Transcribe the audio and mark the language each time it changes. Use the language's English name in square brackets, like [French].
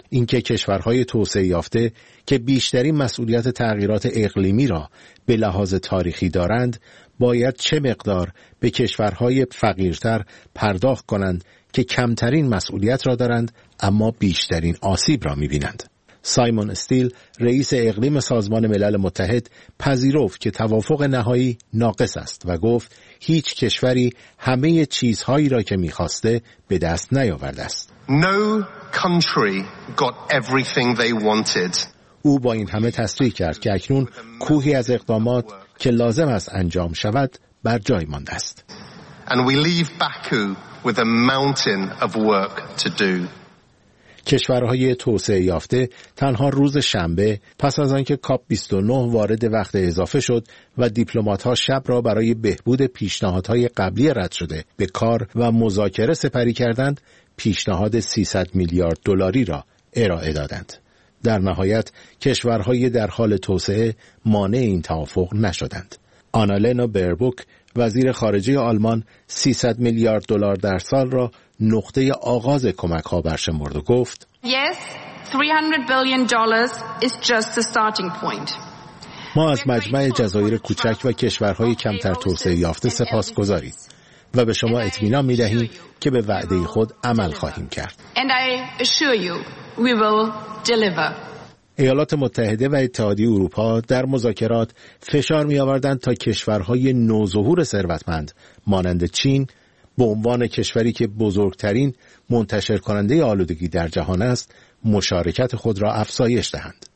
[Persian] اینکه کشورهای توسعه یافته که بیشترین مسئولیت تغییرات اقلیمی را به لحاظ تاریخی دارند، باید چه مقدار به کشورهای فقیرتر پرداخت کنند که کمترین مسئولیت را دارند اما بیشترین آسیب را می‌بینند. سایمون استیل، رئیس اقلیم سازمان ملل متحد، پذیرفت که توافق نهایی ناقص است و گفت هیچ کشوری همه چیزهایی را که می‌خواسته به دست نیاورده است. [English] No country got everything they wanted. [Persian] او با این همه تصریح کرد که اکنون کوهی از اقدامات که لازم است انجام شود بر جای مانده است. [English] And we leave Baku with a mountain of work to do. [Persian] کشورهای توسعه یافته تنها روز شنبه پس از آنکه کاپ 29 وارد وقت اضافه شد و دیپلمات‌ها شب را برای بهبود پیشنهادهای قبلی رد شده به کار و مذاکره سپری کردند، پیشنهاد 300 میلیارد دلاری را ارائه دادند. در نهایت کشورهای در حال توسعه مانع این توافق نشدند. آنالنا بربوک، وزیر خارجه آلمان، 300 میلیارد دلار در سال را نقطه آغاز کمک ها برشمرد و گفت [English] Yes, $300 billion is just the starting point. [Persian] ما از مجمع جزایر کوچک و کشورهای کمتر توسعه یافته سپاسگزاریم و به شما اطمینان می‌دهیم که به وعده خود عمل خواهیم کرد. [English] And I assure you we will deliver. [Persian] ایالات متحده و اتحادیه اروپا در مذاکرات فشار می‌آوردند تا کشورهای نوظهور ثروتمند مانند چین به عنوان کشوری که بزرگترین منتشر کننده آلودگی در جهان است مشارکت خود را افزایش دهند.